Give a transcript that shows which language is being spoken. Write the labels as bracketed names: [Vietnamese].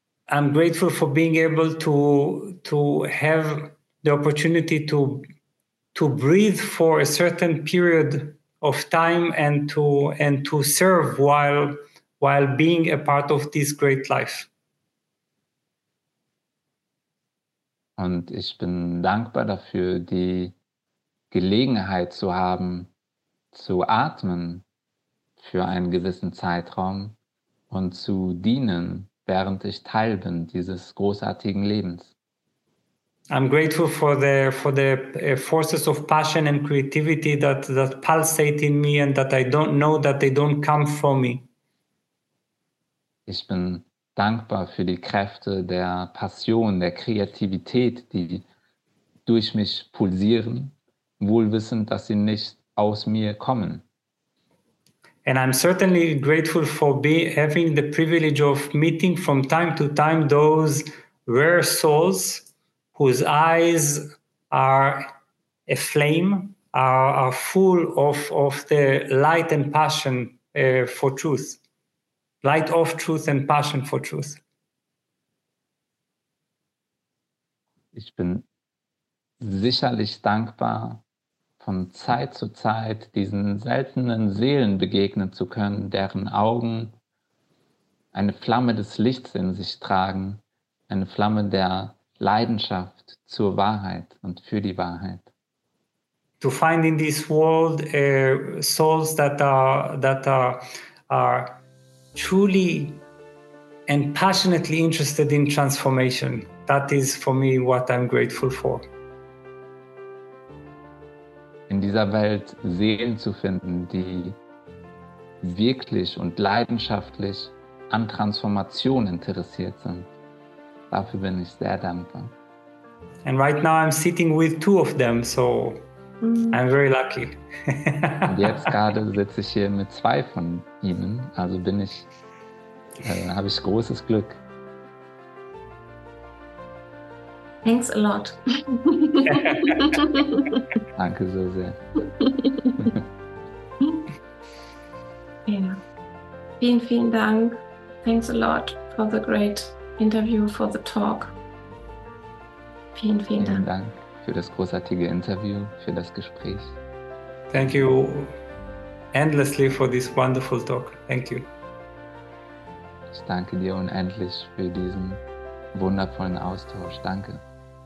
[English] I'm grateful for being able to have the opportunity to breathe for a certain period of time and to serve while being a part of this great life. [German] Und ich bin dankbar dafür, die Gelegenheit zu haben, zu atmen für einen gewissen Zeitraum und zu dienen, während ich Teil bin dieses großartigen Lebens. [English] I'm grateful for the forces of passion and creativity that pulsate in me and that I don't know that they don't come from me. [German] Ich bin dankbar für die Kräfte der Passion, der Kreativität, die durch mich pulsieren, wohlwissend, dass sie nicht aus mir kommen. [English] And I'm certainly grateful for having the privilege of meeting from time to time those rare souls whose eyes are aflame, are full of the light and passion for truth. Light of truth and passion for truth. [German] Ich bin sicherlich dankbar, von Zeit zu Zeit diesen seltenen Seelen begegnen zu können, deren Augen eine Flamme des Lichts in sich tragen, eine Flamme der Leidenschaft zur Wahrheit und für die Wahrheit. [English] To find in this world souls that are truly and passionately interested in transformation. That is for me what I'm grateful for. [German] In dieser Welt Seelen zu finden, die wirklich und leidenschaftlich an Transformation interessiert sind. Dafür bin ich sehr dankbar. [English] And right now I'm sitting with two of them, so I'm very lucky. [German] Und jetzt gerade sitze ich hier mit zwei von ihnen, also bin ich, habe ich großes Glück. [English] Thanks a lot. [German] Danke so sehr. Ja. Vielen, vielen Dank. [English] Thanks a lot for the great interview, for the talk. [German] Vielen Dank. Vielen Dank für das großartige Interview, für das Gespräch. [English] Thank you endlessly for this wonderful talk. Thank you. [German] Ich danke dir unendlich für diesen wundervollen Austausch. Danke.